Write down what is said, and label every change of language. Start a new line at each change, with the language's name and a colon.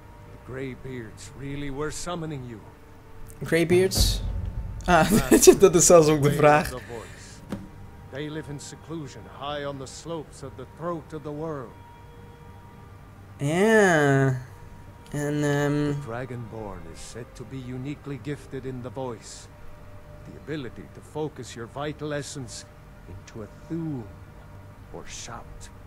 English: The Greybeards really were summoning you. Greybeards?
Dutch: Ah, dat is zelfs ook de vraag.
English: They live in seclusion, high on the slopes of the throat of the world. Yeah. And the Dragonborn is said to be uniquely gifted in the voice. The ability to focus your vital essence into a thule or shout.